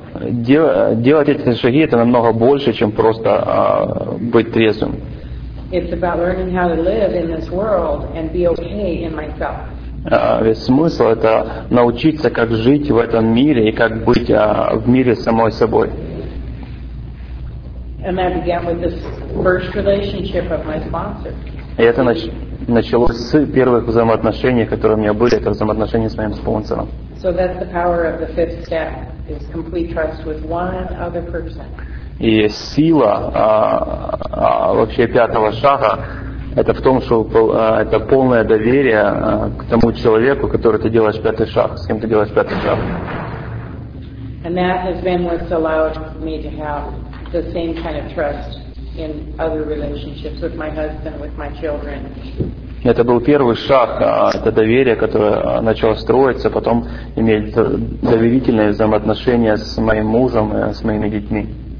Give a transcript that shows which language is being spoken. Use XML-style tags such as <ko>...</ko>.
<ru>Делать эти шаги это намного больше, чем просто быть трезвым.</ru> <en>It's about learning how to live in this world and be okay in myself.</en> <ru>Весь смысл это научиться как жить в этом мире и как быть в мире самой собой.</ru> <en>And that began with this first relationship of my sponsor.</en> <ru>И это началось с первых взаимоотношений, которые у меня были, это взаимоотношения с моим спонсором.</ru> <en>So that's the power of the fifth step. Is complete trust with one other person.</en> <ru>И сила вообще пятого шага это в том, что это полное доверие к тому человеку, который ты делаешь пятый шаг, с кем ты делаешь пятый шаг.</ru> <en>And that has been what's allowed me to have the same kind of trust in other relationships with my husband, with my children.</en> <ru>Это был первый шаг, это доверие, которое начало строиться, потом иметь доверительные взаимоотношения с моим мужем, с моими детьми.</ru>